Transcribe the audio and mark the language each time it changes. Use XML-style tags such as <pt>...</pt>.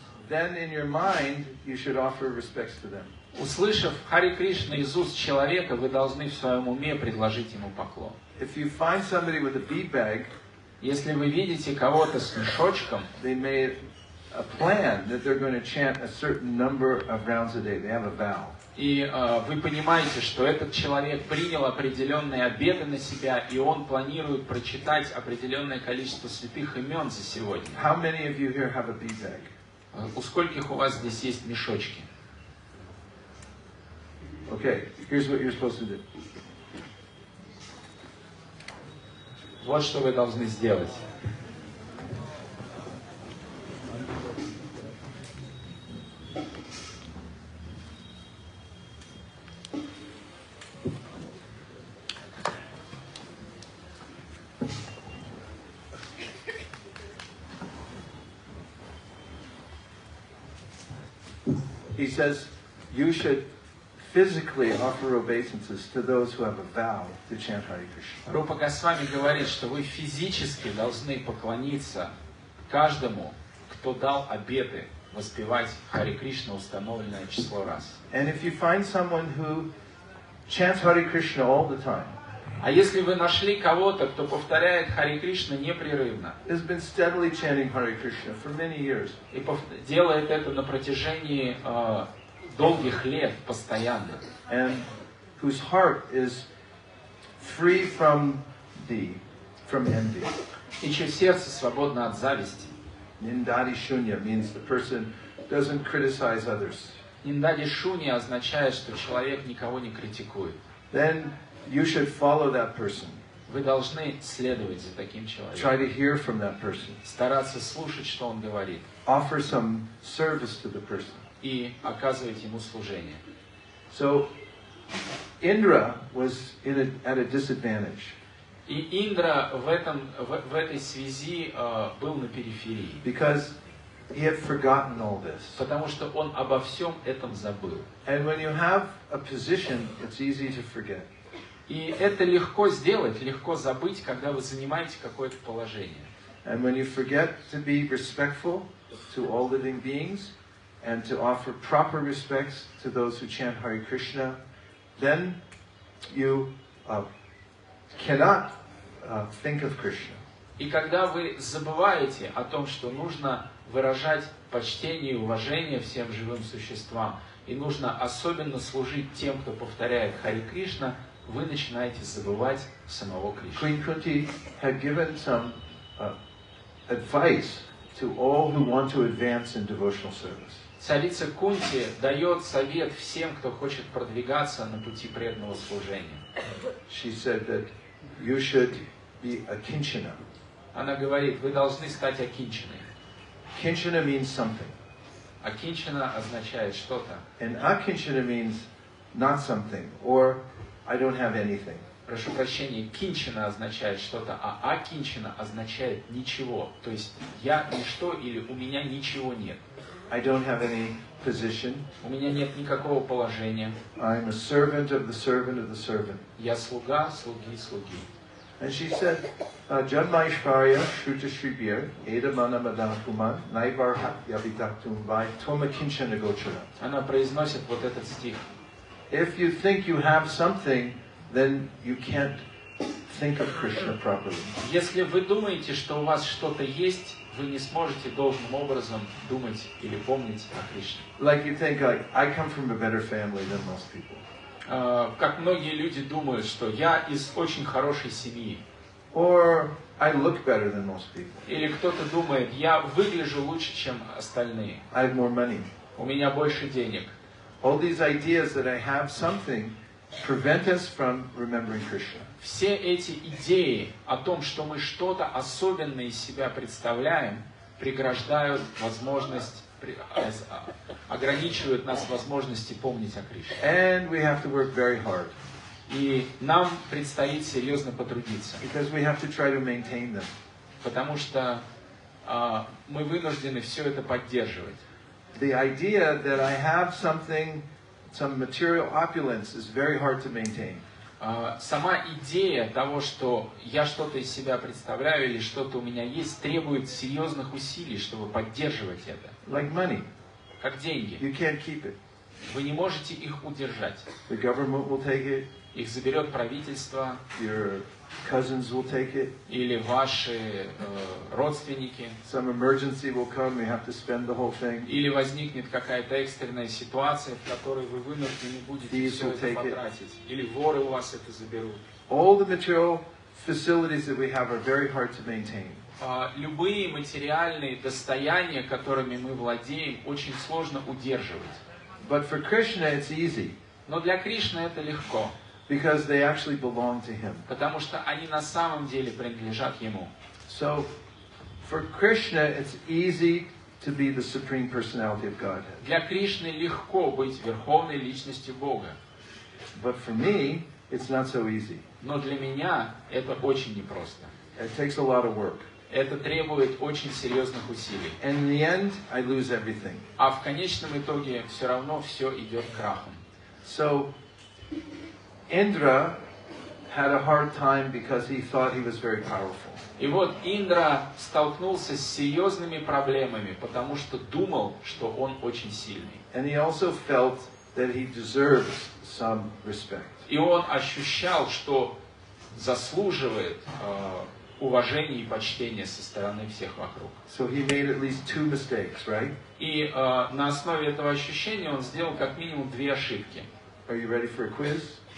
<en>Then in your mind you should offer respects to them.</en> <ru>Услышав Хари Кришна из уст человека, вы должны в своем уме предложить ему поклон.</ru> <en>If you find somebody with a bee bag,</en> <ru>если вы видите кого-то с мешочком,</ru> <en>they made a plan that they're going to chant a certain number of rounds a day. They have a vow.</en> <ru>И вы понимаете, что этот человек принял определенные обеты на себя, и он планирует прочитать определенное количество святых имен за сегодня.</ru> <en>How many of you here have a bee bag?</en> <ru>У скольких у вас здесь есть мешочки?</ru> <en>Okay, here's what you're supposed to do.</en> <ru>Вот что вы должны сделать.</ru> <en>He says, you should physically offer obeisances to those who have a vow to chant Hare Krishna.</en> <ru>Рупа Госвами говорит, что вы физически должны поклониться каждому, кто дал обеты воспевать Хари Кришну установленное число раз.</ru> <en>And if you find someone who chants Hare Krishna all the time,</en> <ru>а если вы нашли кого-то, кто повторяет Хари Кришна непрерывно,</ru> <en>has been steadily chanting Hare Krishna for many years,</en> <ru>и делает это на протяжении долгих лет постоянно,</ru> <en>and whose heart is free from the from envy,</en> <ru>и чье сердце свободно от зависти.</ru> <en>Ниндади шунья means the person doesn't criticize others.</en> <ru>Ниндади шунья означает, что человек никого не критикует.</ru> <en>Then you should follow that person.</en> <ru>Вы должны следовать за таким человеком.</ru> <en>Try to hear from that person.</en> <ru>Стараться слушать, что он говорит.</ru> <en>Offer some service to the person.</en> <ru>И оказывать ему служение.</ru> <en>So Indra was in a, at a disadvantage.</en> <ru>И Индра в этом в этой связи был на периферии.</ru> <en>Because he had forgotten all this.</en> <ru>Потому что он обо всем этом забыл.</ru> <en>And when you have a position, it's easy to forget.</en> <ru>И это легко сделать, легко забыть, когда вы занимаете какое-то положение.</ru> <en>And when you forget to be respectful to all living beings and to offer proper respects to those who chant Hare Krishna, then you cannot think of Krishna.</en> <ru>И когда вы забываете о том, что нужно выражать почтение и уважение всем живым существам, и нужно особенно служить тем, кто повторяет Хари Кришна, вы начинаете забывать самого Кришну.</ru> <en>Queen Kunti had given some advice to all who want to advance in devotional service.</en> <ru>Царица Кунти дает совет всем, кто хочет продвигаться на пути преданного служения.</ru> <en>She said that you should be a kinchana.</en> <ru>Она говорит, вы должны стать акинчаной.</ru> <en>Kinchana means something.</en> <ru>Акинчана означает что-то.</ru> <en>And акинчана means not something or I don't have anything.</en> <ru>Прошу прощения, кинчана означает что-то, а акинчана означает ничего. То есть я ничто или у меня ничего нет.</ru> <en>I don't have any position.</en> <ru>У меня нет никакого положения.</ru> <en>I'm a servant of the servant of the servant.</en> <ru>Я слуга, слуги, слуги.</ru> <en>And she said,</en> <sa>Janmaishvarya Shruta Shribir Edamana Madhapuman Naivarha Yavitaktum Vai Toma Kinchana Gochara.</sa> <ru>Она произносит вот этот стих.</ru> <en>If you think you have something, then you can't think of Krishna properly.</en> <ru>Если вы думаете, что у вас что-то есть, вы не сможете должным образом думать или помнить о Кришне.</ru> <en>Like you think, like, I come from a better family than most people.</en> <ru>Как многие люди думают, что я из очень хорошей семьи.</ru> <en>Or I look better than most people.</en> <ru>Или кто-то думает, я выгляжу лучше, чем остальные.</ru> <en>I have more money.</en> <ru>У меня больше денег.</ru> <en>All these ideas that I have something prevent us from remembering Krishna.</en> <ru>Все эти идеи о том, что мы что-то особенное из себя представляем, преграждают возможность, ограничивают нас в возможности помнить о Кришне.</ru> <en>And we have to work very hard.</en> <ru>И нам предстоит серьезно потрудиться.</ru> <en>Because we have to try to maintain them.</en> <ru>Потому что мы вынуждены все это поддерживать.</ru> <en>The idea that I have something, some material opulence, is very hard to maintain.</en> <ru>Сама идея того, что я что-то из себя представляю или что-то у меня есть, требует серьезных усилий, чтобы поддерживать это.</ru> <en>Like money.</en> <ru>Как деньги.</ru> <en>You can't keep it.</en> <ru>Вы не можете их удержать.</ru> <en>The government will take it.</en> <ru>Их заберет правительство.</ru> <en>Your cousins will take it.</en> <ru>Или ваши родственники.</ru> <en>Some emergency will come, you have to spend the whole thing.</en> <ru>Или возникнет какая-то экстренная ситуация, в которой вы вынуждены будете все это потратить. Или воры у вас это заберут.</ru> <en>All the material facilities that we have are very hard to maintain.</en> <ru>Любые материальные достояния, которыми мы владеем, очень сложно удерживать.</ru> <en>But for Krishna it's easy.</en> <ru>Но для Кришны это легко.</ru> <en>Because they actually belong to him.</en> <ru>Потому что они на самом деле принадлежат ему.</ru> <en>So, for Krishna, it's easy to be the supreme personality of Godhead.</en> <ru>Для Кришны легко быть верховной личностью Бога.</ru> <en>But for me, it's not so easy.</en> <ru>Но для меня это очень непросто.</ru> <en>It takes a lot of work.</en> <ru>Это требует очень серьезных усилий.</ru> <en>And in the end, I lose everything.</en> <ru>А в конечном итоге все равно все идет крахом.</ru> <en>So, Indra had a hard time because he thought he was very powerful.</en> <ru>И вот Индра столкнулся с серьезными проблемами, потому что думал, что он очень сильный.</ru> <en>And he also felt that he deserves some respect.</en> <ru>И он ощущал, что заслуживает уважения и почтения со стороны всех вокруг.</ru> <en>So he made at least two mistakes, right?</en> <ru>И на основе этого ощущения он сделал как минимум две ошибки.</ru> <en>Are you ready for a quiz?</en>